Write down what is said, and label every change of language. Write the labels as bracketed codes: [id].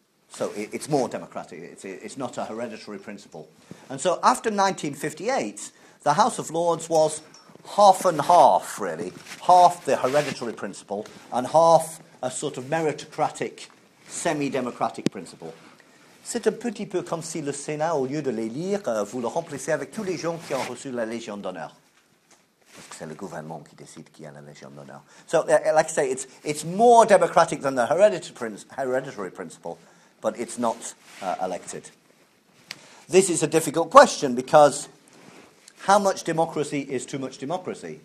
[en] So it's more democratic. It's not a hereditary principle. And so after 1958, the House of Lords was half and half, really. Half the hereditary principle and half a sort of meritocratic, semi-democratic principle. [fr] C'est un petit peu comme si le Sénat, au lieu de les lire, vous le remplissez avec tous les gens qui ont reçu la Légion d'honneur. Parce que c'est le gouvernement qui décide qui a la Légion d'honneur. [en] So, like I say, it's more democratic than the hereditary principle, but it's not elected. This is a difficult question because how much democracy is too much democracy?